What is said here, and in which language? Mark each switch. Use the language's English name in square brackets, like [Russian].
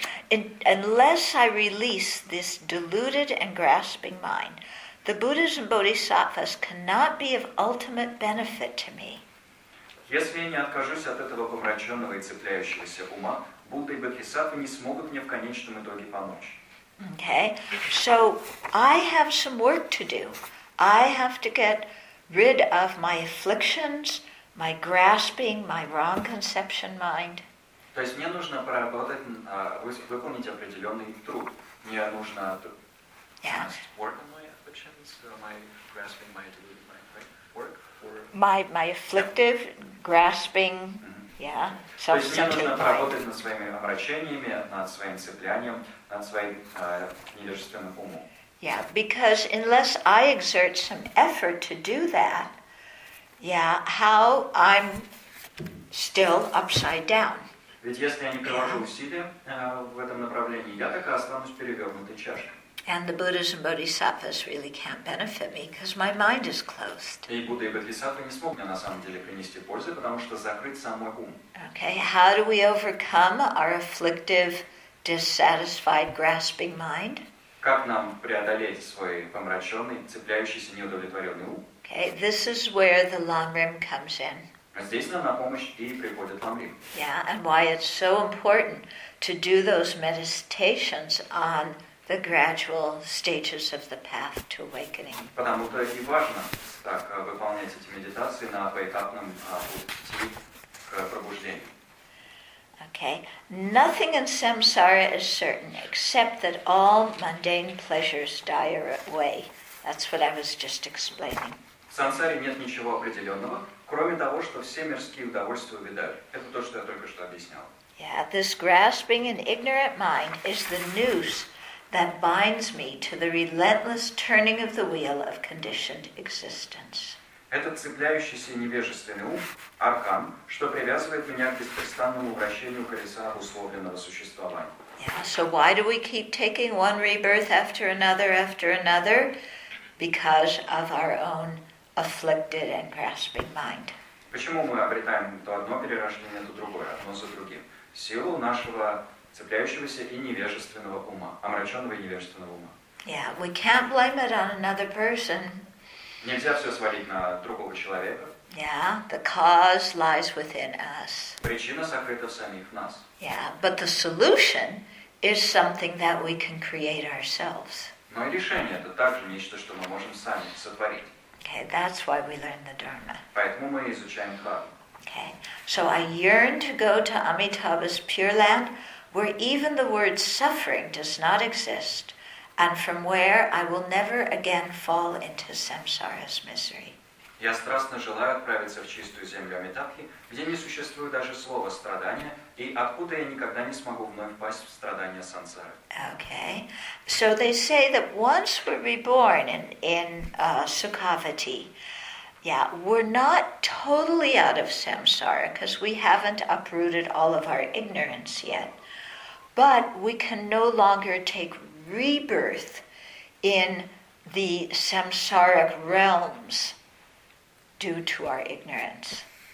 [English] Unless I release this deluded and grasping mind, the Buddhas and Bodhisattvas cannot be of ultimate benefit to me. [Russian] Если я не откажусь от этого помраченного и цепляющегося ума, Будды и Бодхисаттвы не смогут мне в конечном итоге помочь. [English] Okay, so I have some work to do. I have to get rid of my afflictions, my grasping, my wrong conception mind. [Russian] То есть мне нужно поработать, выполнить определенный труд. Мне нужно... [English] Yeah. Work on my afflictions, my grasping, my deluded mind, right? Work for... My afflictive... Грасping, yeah. [Russian] То есть мне нужно поработать над своими омрачениями, над своим цеплянием, над своим невежественным умом. [English] Yeah, because unless I exert some effort to do that, yeah, how I'm still upside down. [Russian] Ведь если я не приложу усилия в этом направлении, я так и останусь перевернутой чашкой. [English] And the Buddhas and Bodhisattvas really can't benefit me because my mind is closed. [Russian] И Будды и Бодхисаттвы не смогут мне на самом деле принести пользы, потому что закрыт сам мой ум. [English] Okay, how do we overcome our afflictive, dissatisfied, grasping mind? [Russian] Как нам преодолеть свой помраченный, цепляющийся, неудовлетворенный ум? [English] Okay, this is where the Lamrim comes in. [Russian] Здесь нам на помощь и приходит Ламрим. [English] Yeah, and why it's so important to do those meditations on the gradual stages of the path to awakening. [Russian] Потому что и важно так выполнять эти медитации на поэтапном пути к пробуждению. [English] Okay. Nothing in samsara is certain except that all mundane pleasures die away. That's what I was just explaining. [Russian] В самсаре нет ничего определенного, кроме того, что все мирские удовольствия увядают. Это то, что я только что объяснял. [English] Yeah, this grasping and ignorant mind is the noose that binds me to the relentless turning of the wheel of conditioned existence. [Russian] Этот цепляющийся невежественный ум – аркан, что привязывает меня к беспрестанному вращению колеса обусловленного существования. [English] Yeah, so why do we keep taking one rebirth after another? Because of our own afflicted and grasping mind. [Russian] Почему мы обретаем то одно перерождение, то другое, одно за другим? В силу нашего цепляющегося и невежественного ума, омраченного и невежественного ума. [English] Yeah, we can't blame it on another person. [Russian] Нельзя все свалить на другого человека. [English] Yeah, the cause lies within us. [Russian] Причина сокрыта в самих нас. [English] Yeah, but the solution is something that we can create ourselves. [Russian] Но и решение это также нечто, что мы можем сами сотворить. [English] Okay, that's why we learn the Dharma. [Russian] Поэтому мы изучаем Дхарму. [English] Okay, so I yearn to go to Amitabha's pure land, where even the word suffering does not exist, and from where I will never again fall into samsara's misery. [Russian] Я страстно желаю отправиться в чистую землю Амитабхи, где не существует даже слова страдания, и откуда я никогда не смогу вновь впасть в страдания сансары. [English] Okay, so they say that once we're reborn in Sukhavati, yeah, we're not totally out of samsara because we haven't uprooted all of our ignorance yet. But we can no longer take rebirth in the samsaric realms due to our ignorance.